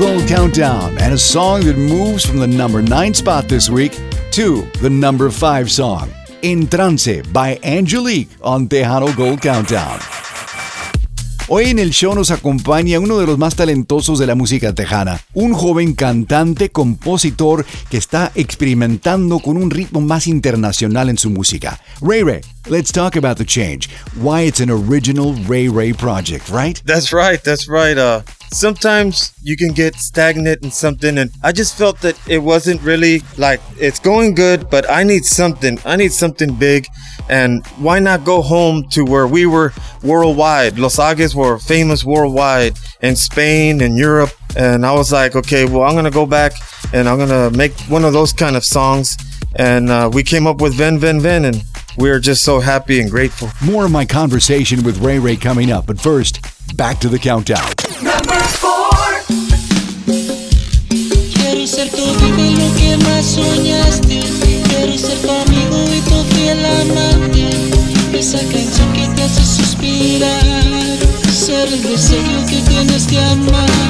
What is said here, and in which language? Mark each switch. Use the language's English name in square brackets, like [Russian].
[English] Song that moves from the number 9 spot this week to the number 5 song, Entrance by Angelique on Tejano Gold Countdown. [Spanish] Hoy en el show nos acompaña uno de los más talentosos de la música tejana, un joven cantante, compositor que está experimentando con un ritmo más internacional en su música. [English] Ray Ray, let's talk about the change, why it's an original Ray Ray project, right? That's right. Sometimes you can get stagnant in something, and I just felt that it wasn't really like it's going good, but I need something big. And why not go home to where we were worldwide? Los Agues were famous worldwide in Spain and Europe, and I was like, okay, well, I'm gonna go back and I'm gonna make one of those kind of songs. And we came up with Ven Ven Ven, and we're just so happy and grateful. More of my conversation with Ray Ray coming up, but first, back to the countdown. [Spanish] Quiero ser tu amigo y lo que más soñaste. Quiero ser tu amigo y tu fiel amante. Esa canción que te hace suspirar. Ser el deseo que tienes que amar.